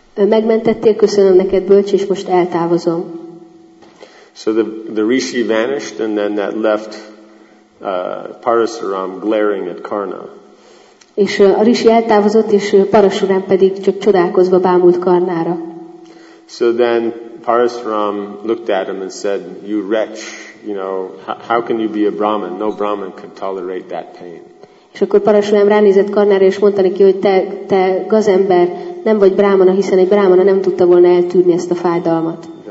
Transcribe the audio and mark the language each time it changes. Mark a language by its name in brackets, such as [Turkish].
[Hungarian] Megmentettél, köszönöm neked, bölcs, és most eltávozom. [English] So the rishi vanished, and then that left Parasuram glaring at Karna. [Hungarian] És a rishi eltávozott, és Parasuram pedig csak csodálkozva bámult Karnára. [English] So then Parasram looked at him and said, "You wretch, you know, how can you be a Brahmin? No Brahmin can tolerate that pain." [Hungarian] És akkor Parasram ránézett Karnára és mondta neki, hogy te gazember, nem vagy brámana, hiszen egy brámana nem tudta volna eltűrni ezt a fájdalmat.